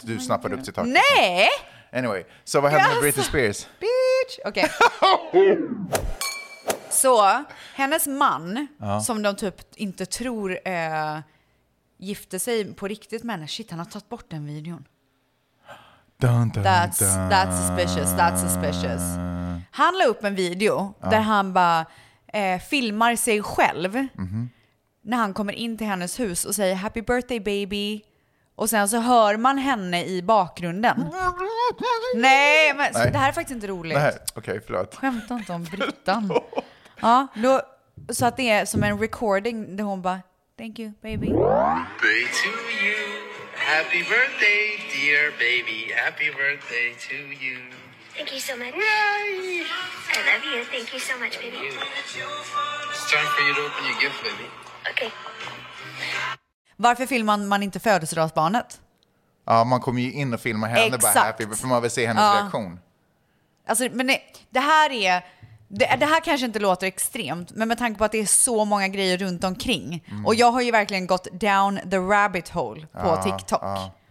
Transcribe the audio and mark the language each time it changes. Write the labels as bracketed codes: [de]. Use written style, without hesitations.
[sv] Du snappade upp citattecken. Nej! Anyway, så vad hände med Britney Spears? Bitch! Okej. Okay. Så, hennes man, som de typ inte tror gifte sig på riktigt med henne. Shit, han har tagit bort den videon. Dun, dun, [en] that's suspicious, that's suspicious. [sv] Han la upp en video där han bara filmar sig själv när han kommer in till hennes hus och säger [en] happy birthday baby. [sv] Och sen så hör man henne i bakgrunden. Nej, men nej. Det här är faktiskt inte roligt. Nej, okej, förlåt. Skämta inte om Brittan. Ja, då, så att det är som en recording där hon bara [en] thank you baby. Birthday to you. Happy birthday dear baby. Happy birthday to you. Thank you so much. Yay! I love you. Thank you so much baby. It's time for you to open your gift baby. Okay. [sv] Varför filmar man inte födelsedagsbarnet? Ja, man kommer ju in och filmar henne. Exakt. Bara happy för man vill se hennes reaktion. Alltså, men nej, det här är det här kanske inte låter extremt, men med tanke på att det är så många grejer runt omkring. Mm. Och jag har ju verkligen gått [en] down the rabbit hole [sv] på TikTok. Ja.